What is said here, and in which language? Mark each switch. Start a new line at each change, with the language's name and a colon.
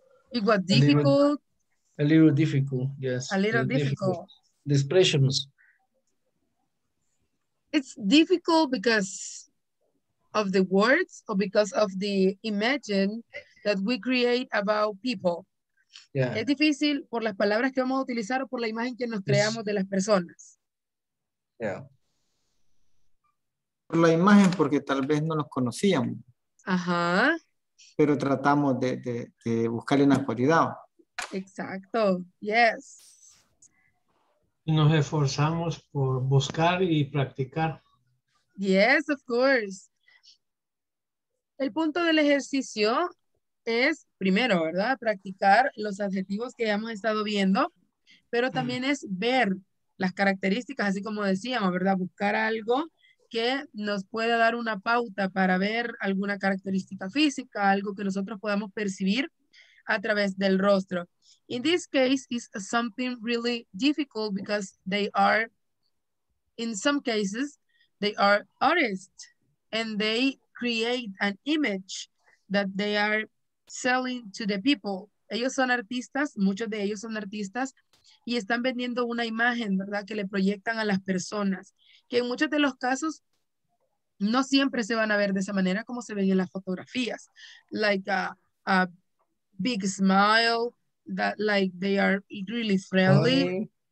English: It was difficult. A little difficult, yes. A little difficult. The expressions. It's difficult because of the words or because of the imagine that we create about people. Yeah.
Spanish: Es difícil por las palabras que vamos a utilizar o por la imagen que nos creamos de las personas.
English: Yeah.
Spanish: Por la imagen, porque tal vez no nos conocíamos. Ajá. Pero tratamos de buscarle una cualidad. Exacto.
English: Yes.
Spanish: Nos esforzamos por buscar y practicar.
English: Yes, of course.
Spanish: El punto del ejercicio es primero, ¿verdad? Practicar los adjetivos que ya hemos estado viendo, pero también es ver las características, así como decíamos, ¿verdad? Buscar algo que nos pueda dar una pauta para ver alguna característica física, algo que nosotros podamos percibir a través del rostro.
English: In this case, it's something really difficult because they are, in some cases, they are artists and they create an image that they are selling to the people.
Spanish: Ellos son artistas, muchos de ellos son artistas, y están vendiendo una imagen, ¿verdad?, que le proyectan a las personas, que en muchos de los casos no siempre se van a ver de esa manera como se ven en las fotografías.
English: Like a big smile, that like they are really friendly.